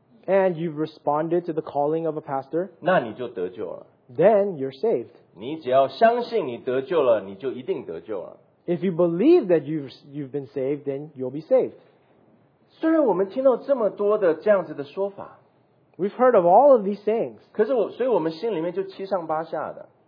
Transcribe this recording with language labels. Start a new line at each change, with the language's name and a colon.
English: and you've responded to the calling of a pastor,
Chinese: 那你就得救了,
English: then you're saved.
Chinese: 你只要相信你得救了,你就一定得救了。
English: If you believe that you've been saved, then you'll be saved.
Chinese: 虽然我们听到这么多的这样子的说法,
English: we've heard of all of these sayings.
Chinese: 可是我们心里面就七上八下的,